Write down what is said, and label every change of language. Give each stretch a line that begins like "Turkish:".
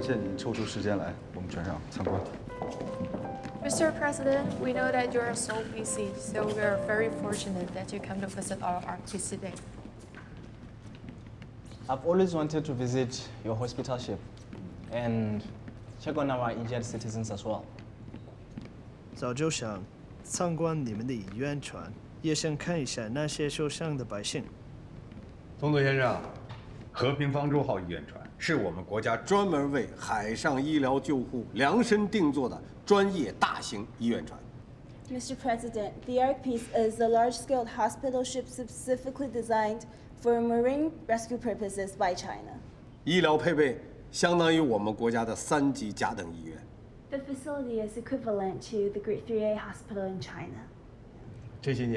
Chinese: 行，总统先生，知道您政务繁忙，感谢您抽出时间来，我们全上参观。
English: Mr. President, we know that you are so busy, so we are very fortunate that you come to visit our Ark Peace today. I've always wanted to visit your hospital ship and check on our injured citizens as well.
Chinese: 早就想参观你们的医院船，也想看一下那些受伤的百姓。总统先生，和平方舟号医院船是我们国家专门为海上医疗救护量身定做的。专业大型医院船
English: Mr. President, the Ark Peace is a large-scale hospital ship specifically designed for marine rescue purposes by China.
Chinese: 医疗配备相当于我们国家的三级甲等医院
English: The facility is equivalent to the Grade 3A hospital in China.